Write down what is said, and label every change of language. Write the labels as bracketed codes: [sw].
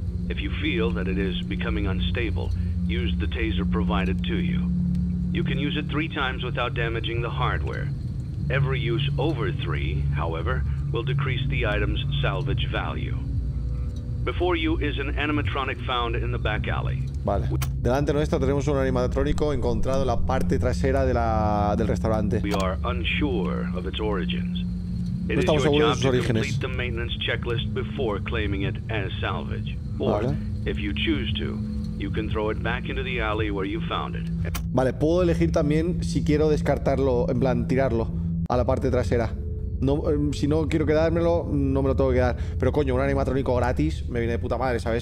[en] If you feel that it is becoming unstable, use the taser provided to you. You can use it 3 times without damaging the hardware. Every use over 3, however, will decrease the item's salvage value. Before you is an animatronic found in the back alley. [es] Vale. Delante nuestra tenemos un animatrónico encontrado en la parte trasera de la, del restaurante. [en] We are unsure of its origins. [es] No estamos seguros de sus orígenes. [en] Complete the maintenance checklist before claiming it as salvage. Or, if you choose to, you can throw it back into the alley where you found it. [es] Vale, puedo elegir también si quiero descartarlo, en plan tirarlo a la parte trasera. No, si no quiero quedármelo, no me lo tengo que quedar. Pero coño, un animatrónico gratis me viene de puta madre, ¿sabes?